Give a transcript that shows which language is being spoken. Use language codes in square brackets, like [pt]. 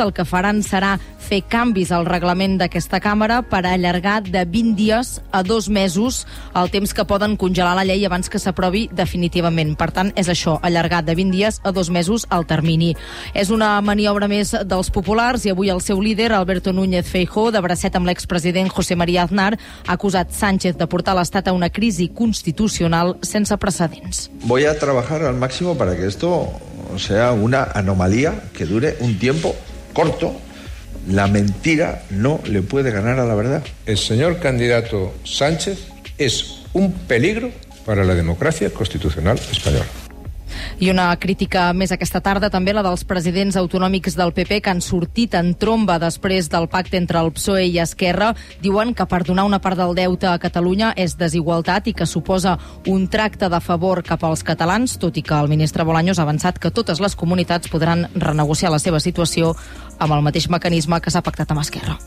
[ca] El que faran serà fer canvis al reglament d'aquesta Càmera per allargar de 20 dies a 2 mesos el temps que poden congelar la llei abans que s'aprovi definitivament. Per tant, és això, allargar de 20 dies a 2 mesos el termini. És una maniobra més dels populars i avui el seu líder, Alberto Núñez Feijóo, de bracet amb l'expresident José María Aznar, ha acusat Sánchez de portar l'Estat a una crisi constitucional sense precedents. [es] Voy a trabajar al máximo para que esto sea una anomalía que dure un tiempo corto. La mentira no le puede ganar a la verdad. El señor candidato Sánchez es un peligro para la democracia constitucional española. [ca] I una crítica més aquesta tarda, també la dels presidents autonòmics del PP, que han sortit en tromba després del pacte entre el PSOE i Esquerra. Diuen que perdonar una part del deute a Catalunya és desigualtat i que suposa un tracte de favor cap als catalans, tot i que el ministre Bolaños ha avançat que totes les comunitats podran renegociar la seva situació amb el mateix mecanisme que s'ha pactat amb Esquerra.